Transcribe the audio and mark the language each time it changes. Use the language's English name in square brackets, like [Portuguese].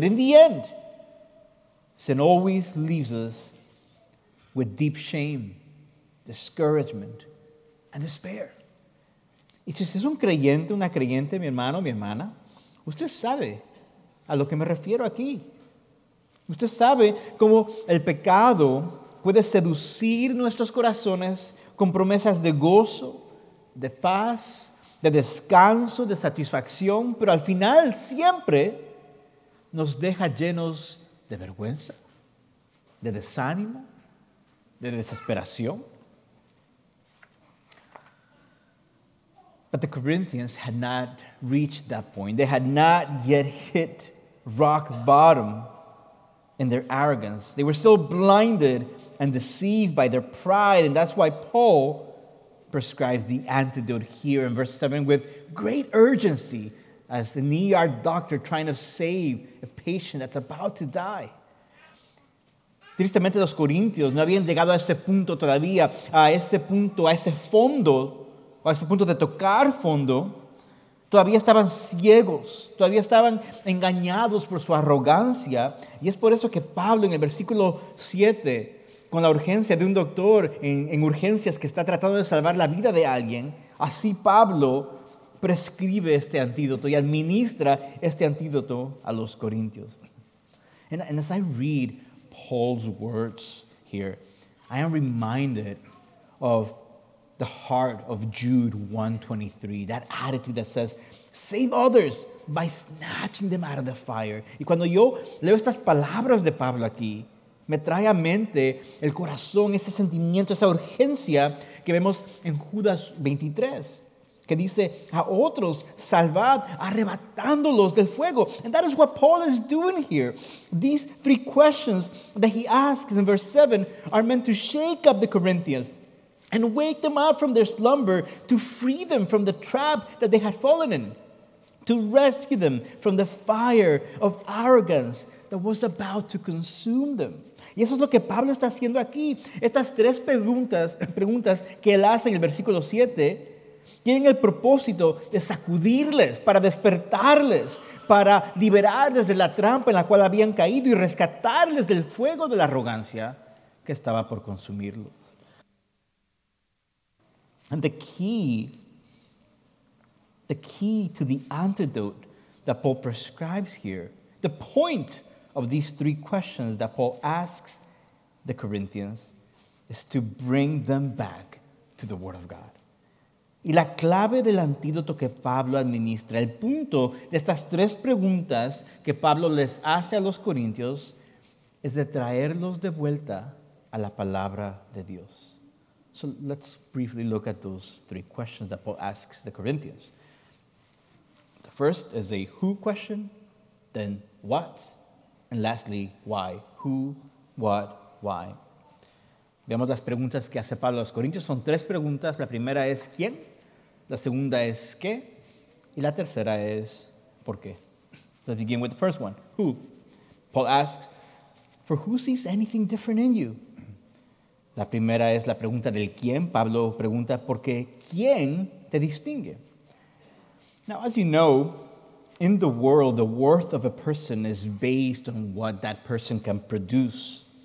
[English] But in the end, sin always leaves us with deep shame, discouragement, and despair. [Spanish] Y si usted es un creyente, una creyente, mi hermano, mi hermana, usted sabe a lo que me refiero aquí. Usted sabe cómo el pecado puede seducir nuestros corazones con promesas de gozo, de paz, de descanso, de satisfacción, pero al final siempre nos deja llenos de vergüenza, de desánimo, de desesperación. [English] But the Corinthians had not reached that point. They had not yet hit rock bottom in their arrogance. They were still blinded and deceived by their pride, and that's why Paul prescribes the antidote here in verse 7 with great urgency, as an ER doctor trying to save a patient that's about to die. [Spanish] Tristemente, los corintios no habían llegado a ese punto todavía, a ese punto, a ese fondo, o a ese punto de tocar fondo. Todavía estaban ciegos, todavía estaban engañados por su arrogancia, y es por eso que Pablo en el versículo 7, con la urgencia de un doctor en urgencias que está tratando de salvar la vida de alguien, así Pablo prescribe este antídoto y administra este antídoto a los corintios. [English] And as I read Paul's words here, I am reminded of the heart of Jude 1:23, that attitude that says, save others by snatching them out of the fire. [Spanish] Y cuando yo leo estas palabras de Pablo aquí, me trae a mente el corazón, ese sentimiento, esa urgencia que vemos en Judas 23, que dice, a otros salvad arrebatándolos del fuego. [English] And that is what Paul is doing here. These three questions that he asks in verse 7 are meant to shake up the Corinthians and wake them up from their slumber, to free them from the trap that they had fallen in, to rescue them from the fire of arrogance that was about to consume them. [Spanish] Y eso es lo que Pablo está haciendo aquí. Estas tres preguntas que él hace en el versículo 7 tienen el propósito de sacudirles, para despertarles, para liberarles de la trampa en la cual habían caído y rescatarles del fuego de la arrogancia que estaba por consumirlos. [English] And the key to the antidote that Paul prescribes here, the point of these three questions that Paul asks the Corinthians, is to bring them back to the Word of God. [Spanish] Y la clave del antídoto que Pablo administra, el punto de estas tres preguntas que Pablo les hace a los corintios, es de traerlos de vuelta a la palabra de Dios. [English] So let's briefly look at those three questions that Paul asks the Corinthians. The first is a who question, then what, and lastly, why. Who, what, why. [Spanish] Veamos las preguntas que hace Pablo a los Corintios. Son tres preguntas. La primera es quién, la segunda es qué, y la tercera es por qué. [English] So let's begin with the first one, who. Paul asks, for who sees anything different in you? [Spanish] La primera es la pregunta del quién. Pablo pregunta, ¿por qué? ¿Quién te distingue? [English] Now, as you know, in the world, the worth of a person is based on what that person can produce.